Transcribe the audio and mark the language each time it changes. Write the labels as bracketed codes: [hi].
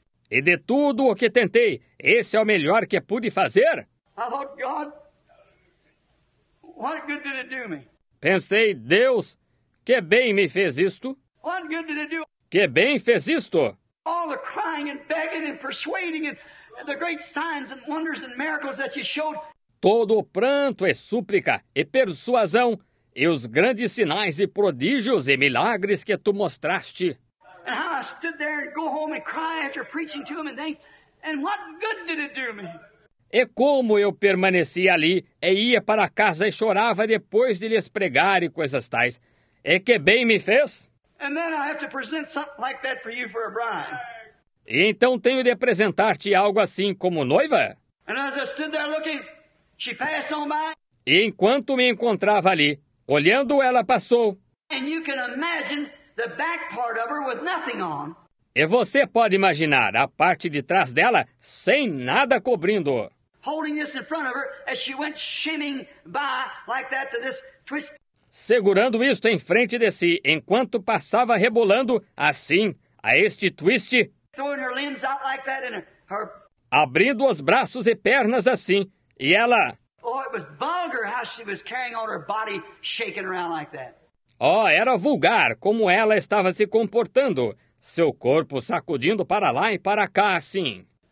[pt] E de tudo o que tentei, esse é o melhor que pude fazer. [en] Oh, God. What good did it do me? [pt] Pensei, Deus, que bem me fez isto. [en] What good did it do? [pt] Que bem fez isto. [en] All the crying and begging and persuading and the great signs and wonders and miracles that you showed. [pt] Todo o pranto e súplica e persuasão e os grandes sinais e prodígios e milagres que tu mostraste. [en] And how I stood there and go home and cry after preaching to him and think, and what good did it do me? [pt] E como eu permaneci ali e ia para casa e chorava depois de lhes pregar e coisas tais. E que bem me fez? [en] And then I have to present something like that for you for a bride. [pt] E então tenho de apresentar-te algo assim como noiva? [en] And as I stood there looking, she passed on by. [pt] E enquanto me encontrava ali, olhando, ela passou. [en] And you can imagine the back part of her with nothing on. [pt] E você pode imaginar a parte de trás dela sem nada cobrindo. [en] Holding this in front of her as she went shimming by like that to this twist. [pt] Segurando isto em frente de si enquanto passava rebolando assim a este twist. [en] Throwing her limbs out like that in her. [pt] Abrindo os braços e pernas assim, e ela. [en] Oh, it was vulgar how she was carrying on her body shaking around like that. [pt] Oh, era vulgar como ela estava se comportando. Seu corpo sacudindo para lá e para cá, assim.